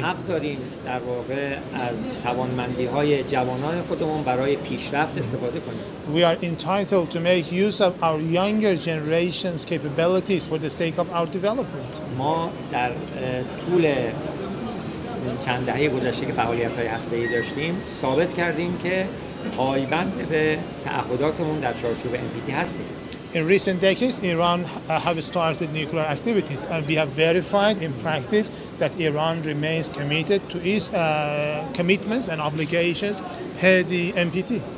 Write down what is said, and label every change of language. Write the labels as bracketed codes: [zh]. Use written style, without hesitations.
[fa] ما حق داریم در واقع از توانمندی‌های جوانان خودمون برای پیشرفت استفاده کنیم. [en] We are entitled to make use of our younger generation's capabilities for the sake of our development. [fa] ما در طول چند دهه گذشته که فعالیت‌های هسته‌ای داشتیم، ثابت کردیم که پایبند به تعهداتمون در چارچوب NPT هستیم. [en] In recent decades, Iran have started nuclear activities, and we have verified in practice that Iran remains committed to its commitments and obligations per the NPT.